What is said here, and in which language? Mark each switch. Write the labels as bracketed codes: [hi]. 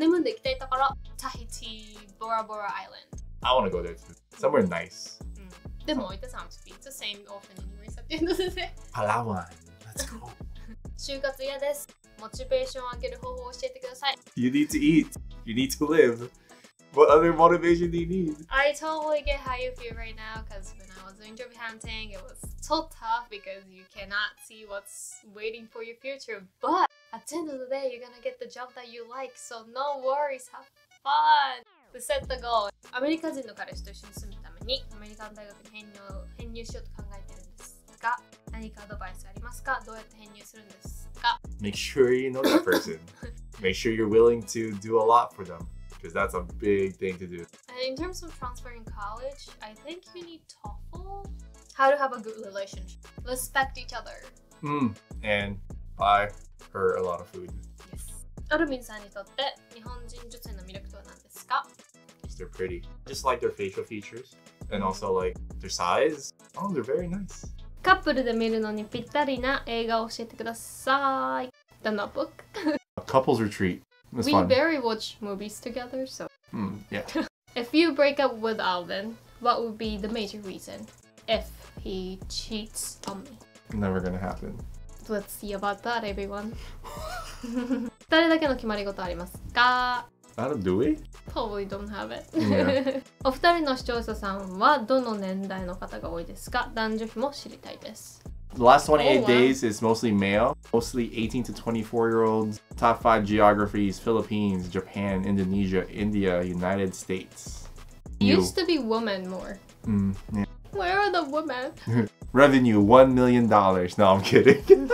[en] I'm going to go to Tahiti, Bora Bora Island. I want to go there too. Somewhere nice. But Moita sounds to be the same often anyway. It's the Palawan. Let's go. [ja] 就活嫌です。モチベーションを上げる方法を教えてください。 [en] You need to eat. You need to live. What other motivation do you need? I totally get how you feel right now because when I was doing job hunting, it was so tough because you cannot see what's waiting for your future. But at the end of the day, you're gonna get the job that you like, so no worries, have fun! To set the goal. [ja] アメリカ人の彼氏と一緒に住むためにアメリカの大学に編入しようと考えているんですが、何かアドバイスありますか? どうやって編入するんですか? [en] Make sure you know that person. Make sure you're willing to do a lot for them. Because that's a big thing to do. In terms of transferring college, I think you need TOEFL. How to have a good relationship. Respect each other. And buy her a lot of food. Yes. [ja] Alvin さんにとって日本人女性の魅力とは何ですか? [en] They're pretty. Just like their facial features. And also like their size. Oh, they're very nice. [ja] カップルで見るのにぴったりな映画を教えてください。 [en] The Notebook. A couple's retreat. We very watch movies together, so... Yeah. If you break up with Alvin, what would be the major reason if he cheats on me? Never gonna happen. Let's see about that, everyone. [ja] 誰だけの決まり事ありますか? [en] Do we? Probably don't have it. Yeah. [ja] お二人の視聴者さんはどの年代の方が多いですか? 男女比も知りたいです。 [en] The last 28 days is mostly male, mostly 18 to 24 year olds. Top 5 geographies: Philippines, Japan, Indonesia, India, United States. Used to be women more. Where are the women? Revenue $1 million. No, I'm kidding.